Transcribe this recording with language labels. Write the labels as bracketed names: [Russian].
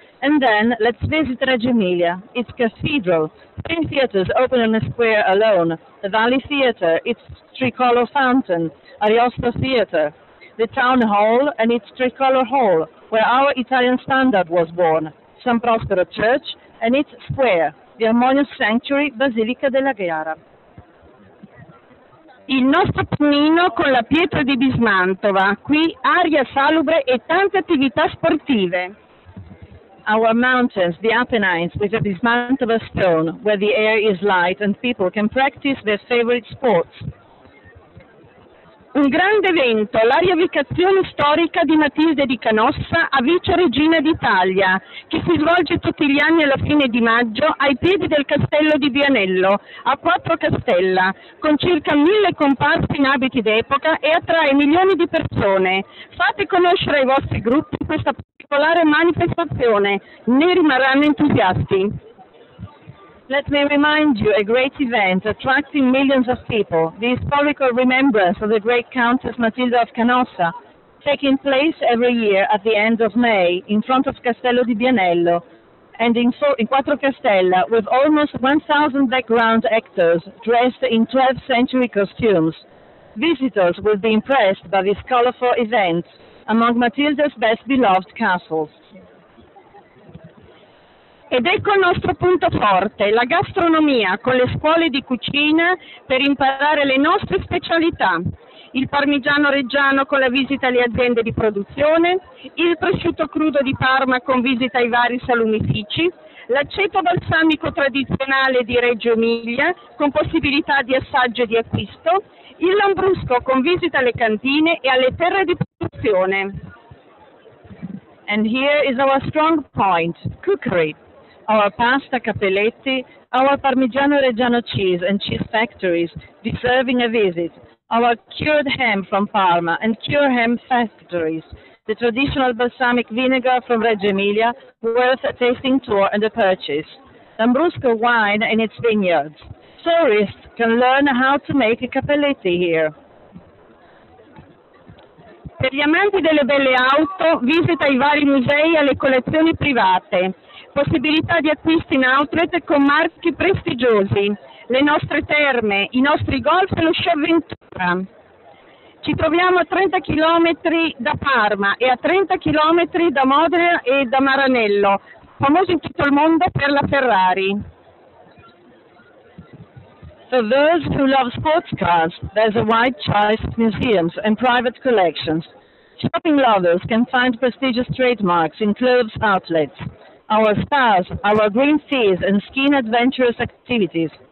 [English] And then, let's visit Reggio Emilia, its cathedral, three theaters open in a square alone, the Valley Theater, its tricolor fountain, Ariosto Theater, the town hall and its tricolor hall, where our Italian standard was born, San Prospero Church, and its square, the harmonious sanctuary Basilica della Ghiara. [Italian] Il nostro pennino con la pietra di Bismantova, qui aria salubre e tante attività sportive. [English] Our mountains, the Apennines, with the Bismantova stone, where the air is light and people can practice their favorite sports. [Italian] Un grande evento, la rievocazione storica di Matilde di Canossa a vice regina d'Italia, che si svolge tutti gli anni alla fine di maggio ai piedi del castello di Vianello, a Quattro Castella, con circa 1000 comparsi in abiti d'epoca e attrae milioni di persone. Fate conoscere ai vostri gruppi questa particolare manifestazione, ne rimarranno entusiasti. [English] Let me remind you a great event attracting millions of people, the historical remembrance of the great Countess Matilda of Canossa, taking place every year at the end of May in front of Castello di Vianello and in Quattro Castella with almost 1,000 background actors dressed in 12th century costumes. Visitors will be impressed by this colorful event among Matilda's best beloved castles. [Italian] Ed ecco il nostro punto forte, la gastronomia con le scuole di cucina per imparare le nostre specialità, il parmigiano reggiano con la visita alle aziende di produzione, il prosciutto crudo di Parma con visita ai vari salumifici, l'aceto balsamico tradizionale di Reggio Emilia con possibilità di assaggio e di acquisto, il lambrusco con visita alle cantine e alle terre di produzione. [English] And here is our strong point, cookery. Our pasta cappelletti, our parmigiano reggiano cheese and cheese factories deserving a visit, our cured ham from Parma and cured ham factories, the traditional balsamic vinegar from Reggio Emilia worth a tasting tour and a purchase, Lambrusco wine and its vineyards. Tourists can learn how to make a cappelletti here. [Italian] Per gli amanti delle belle auto, visita ai vari musei e alle collezioni private. Possibilità di acquisti in outlet con marchi prestigiosi, le nostre terme, i nostri golf e lo sciaventura. Ci troviamo a 30 km da Parma e a 30 km da Modena e da Maranello, famosi in tutto il mondo per la Ferrari. [English] For those who love sports cars, there's a wide choice of museums and private collections. Shopping lovers can find prestigious trademarks in clothes outlets. Our stars, our green seas and skiing adventurous activities.